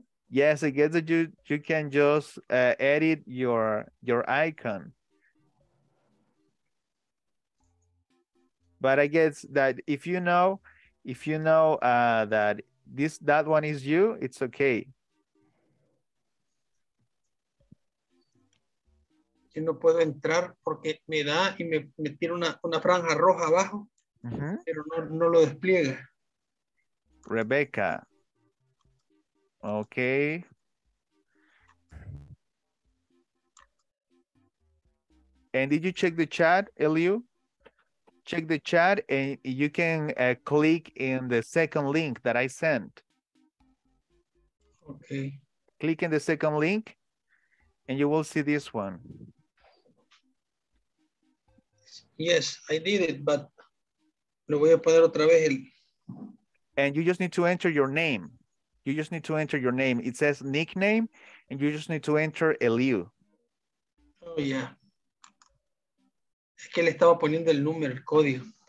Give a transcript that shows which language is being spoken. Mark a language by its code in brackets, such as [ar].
[en] Yes, I guess that you can just edit your icon. But I guess that if you know that one is you, it's okay. [es] Yo no puedo entrar porque me da y me tira una franja roja abajo, pero no lo despliega. [en] Rebecca. Okay. And did you check the chat, Eliu? Check the chat and you can click in the second link that I sent. Okay. Click in the second link and you will see this one. Yes, I did it, but [es] lo voy a poner otra vez. [en] And you just need to enter your name. You just need to enter your name. It says nickname, and you just need to enter Eliu. Oh, yeah. [es] Es que le estaba poniendo el número, el código.